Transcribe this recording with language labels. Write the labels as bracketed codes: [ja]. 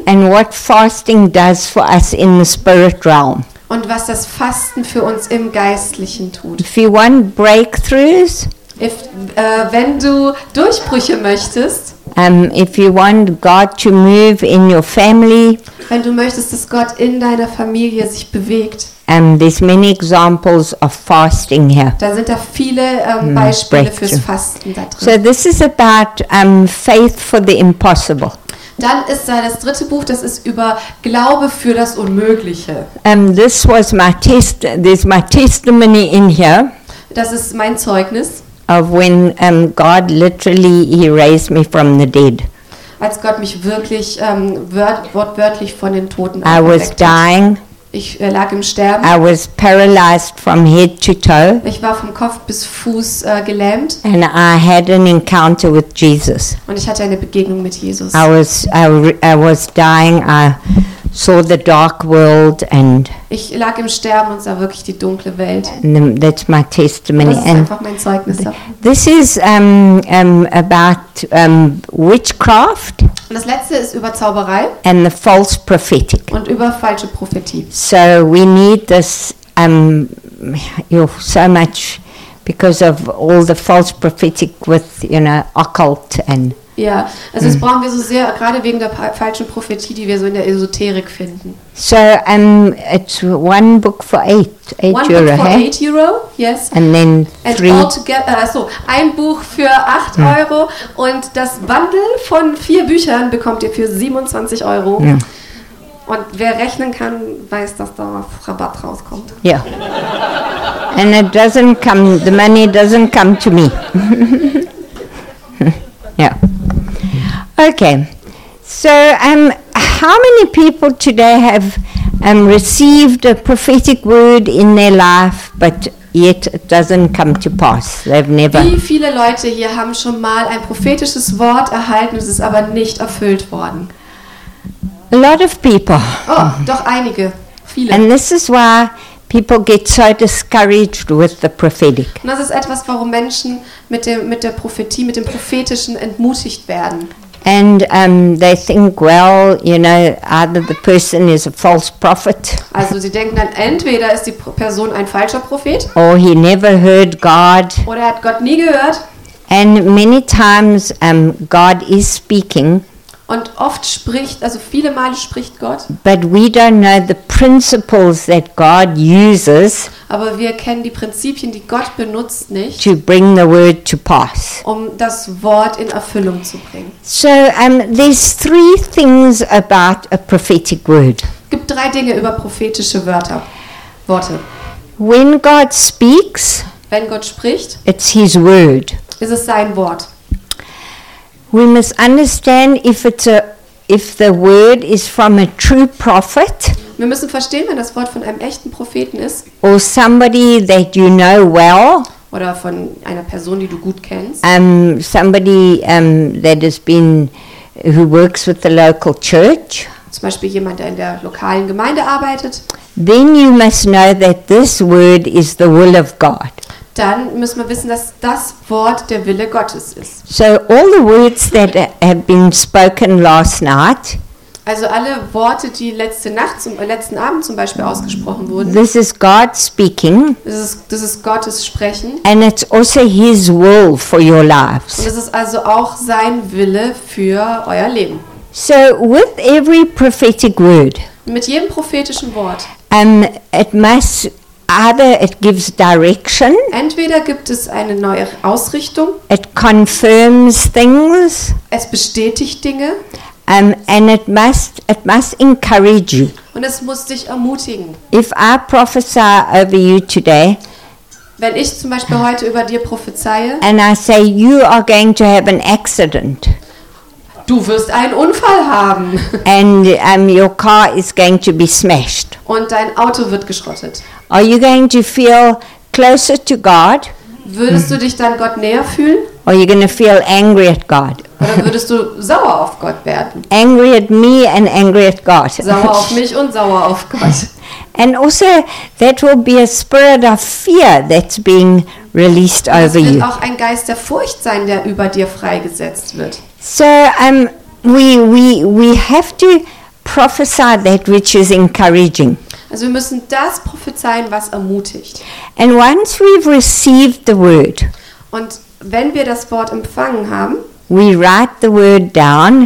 [en] And what fasting does for us in the spirit realm. [de] Und was das Fasten für uns im Geistlichen tut. [en] If you want breakthroughs, [de] wenn du Durchbrüche möchtest, [en] if you want God to move in your family, [de] wenn du möchtest, dass Gott in deiner Familie sich bewegt, [en] there's many examples of fasting here. [de] Da sind da viele Beispiele fürs Fasten da drin. [en] So this is about faith for the impossible. [de] Dann ist da das dritte Buch, das ist über Glaube für das Unmögliche. [en] This was my this my testimony in here. [de] Das ist mein Zeugnis. [en] Of when God literally he raised me from the dead. [de] als Gott mich wirklich wortwörtlich von den Toten auferweckt. [en] I was dying. [de] Ich lag im Sterben. [en] I was paralyzed from head to toe. [de] Ich war vom Kopf bis Fuß gelähmt. [en] And I had an encounter with Jesus. [de] Und ich hatte eine Begegnung mit Jesus. [en] I was dying. I saw the dark world and [de] ich lag im Sterben und sah wirklich die dunkle Welt. [en] That's my testimony. [de] Das ist einfach mein Zeugnis. [en] This is about witchcraft. [de] Und das letzte ist über Zauberei. [en] And the false prophetic. [de] Und über falsche Prophetie. [en] So we need this so much because of all the false prophetic with, you know, occult and [de] ja, also das brauchen wir so sehr, gerade wegen der falschen Prophetie, die wir so in der Esoterik finden. [en] So, it's one book for €8. One book for €8, yes. And then three. And altogether, [de] ein Buch für €8 und das Bundle von 4 Büchern bekommt ihr für €27. Yeah. Und wer rechnen kann, weiß, dass da Rabatt rauskommt. Ja. Yeah. [en] And it doesn't come, the money doesn't come to me. Yeah. Okay. So, how many people today have received a prophetic word in their life, but yet it doesn't come to pass? They've never. [de] Wie viele Leute hier haben schon mal ein prophetisches Wort erhalten, es ist aber nicht erfüllt worden? [en] A lot of people. [de] Oh, doch einige. Viele. [en] And this is why people get so discouraged with the prophetic. [de] Und das ist etwas, warum Menschen mit der Prophetie, mit dem Prophetischen entmutigt werden. [en] And they think, well, you know, either the person is a false prophet. [de] Also sie denken dann, entweder ist die Person ein falscher Prophet. [en] Or he never heard God. [de] Oder er hat Gott nie gehört. [en] And many times God is speaking. [de] Und oft spricht, also viele Male spricht Gott. [en] But we don't know the principles that God uses. [de] Aber wir kennen die Prinzipien, die Gott benutzt, nicht. [en] To bring the word to pass. [de] Um das Wort in Erfüllung zu bringen. [en] So, there's three things about a prophetic word. [de] Es gibt drei Dinge über prophetische Wörter, Worte. [en] When God speaks, [de] wenn Gott spricht, [en] it's His word. [de] Ist es sein Wort. [en] We must understand if the word is from a true prophet. [de] Wir müssen verstehen, wenn das Wort von einem echten Propheten ist. [en] Or somebody that you know well. [de] Oder von einer Person, die du gut kennst. [en] Somebody that has been who works with the local church. [de] Zum Beispiel jemand, der in der lokalen Gemeinde arbeitet. [en] Then you must know that this word is the will of God. [de] Dann müssen wir wissen, dass das Wort der Wille Gottes ist. [en] So all the words that have been spoken last night. [de] Also alle Worte, die letzten Abend zum Beispiel ausgesprochen wurden. [en] This is God speaking. [de] Das ist Gottes Sprechen. [en] And it's also His will for your lives. [de] Und das ist also auch sein Wille für euer Leben. [en] So with every prophetic word. [de] Mit jedem prophetischen Wort. [en] It must. Either it gives direction. [de] Entweder gibt es eine neue Ausrichtung. [en] It confirms things. [de] Es bestätigt Dinge. [en] And it must encourage you. [de] Und es muss dich ermutigen. [en] If I prophesy over you today. [de] Wenn ich zum Beispiel heute über dir prophezeie. [en] And I say you are going to have an accident. [de] Du wirst einen Unfall haben. [en] And your car is going to be smashed. [de] Und dein Auto wird geschrottet. [en] Are you going to feel closer to God? [de] Würdest du dich dann Gott näher fühlen? [en] Or are you going to feel angry at God? [de] Oder würdest du sauer auf Gott werden? [en] Angry at me and angry at God. [de] Sauer auf mich und sauer auf Gott. [en] And also that will be a spirit of fear that's being released over you. [de] Es wird auch ein Geist der Furcht sein, der über dir freigesetzt wird. [en] So we have to prophesy that which is encouraging. [de] Also wir müssen das prophezeien, was ermutigt. [en] And once we've received the word. [de] Und wenn wir das Wort empfangen haben, [en] we write the word down.